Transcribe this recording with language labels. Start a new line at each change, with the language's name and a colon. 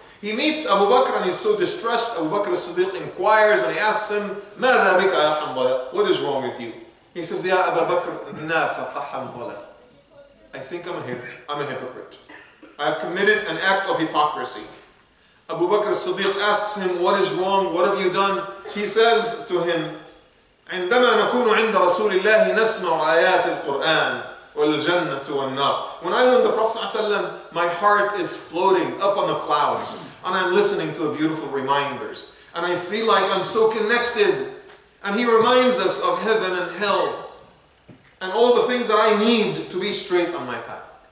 English: He meets Abu Bakr and he's so distressed. Abu Bakr as-Siddiq inquires and he asks him,
Arabic: "Maza bika ya Hamdala?
English: What is wrong with you?" He says,
Arabic: "Ya Abu Bakr, nafaqa Hamdala.
English: I think I'm a hypocrite. I have committed an act of hypocrisy." Abu Bakr as-Siddiq asks him, "What is wrong? What have you done?"
Arabic: He says to him, "عندما نكون عند رسول الله نسمع آيات القرآن والجنة والنار."
English: When I'm with the Prophet ﷺ, my heart is floating up on the clouds, and I'm listening to the beautiful reminders, and I feel like I'm so connected. And he reminds us of heaven and hell, and all the things that I need to be straight on my path.